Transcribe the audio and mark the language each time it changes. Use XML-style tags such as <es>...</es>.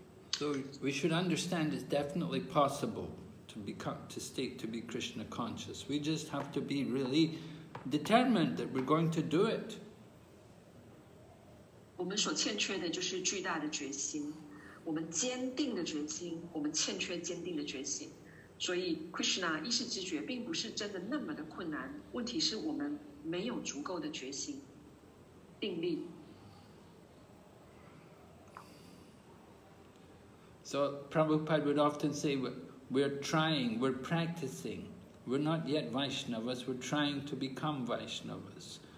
<en>So we should understand it's definitely possible to be Krishna conscious. We just have to be really determined that we're going to do it.</en> <zh>我们所欠缺的就是巨大的决心，我们坚定的决心，我们欠缺坚定的决心。所以 Krishna 意识知觉并不是真的那么的困难，问题是我们没有足够的决心、定力。</zh> <en>So Prabhupada would often say, we're trying, we're practicing. We're not yet Vaishnavas, we're trying to become Vaishnavas.</en>